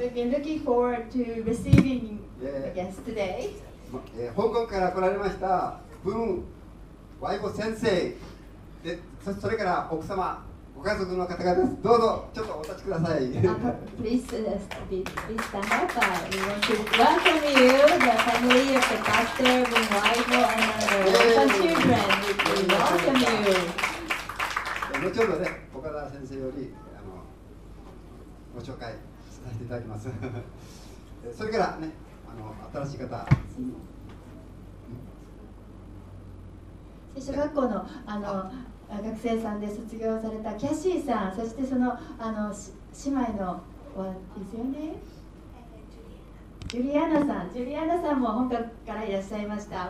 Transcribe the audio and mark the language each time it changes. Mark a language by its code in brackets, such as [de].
[en] We've been looking forward to receiving guests today. [ja] 香港から来られましたブン・ワイゴ先生で、それから奥様、ご家族の方々です。どうぞちょっとお立ちください。 [en] please stand up. We want to welcome you, the family of the pastor, the wife, and the children. We welcome you. [ja] 後ほどね、岡田先生よりご紹介させていただきます。それからね、新しい方、小学校の学生さんで卒業されたキャシーさん、そしてその姉妹のはですよね、ジュリアナさん、ジュリアナさんも本格からいらっしゃいました。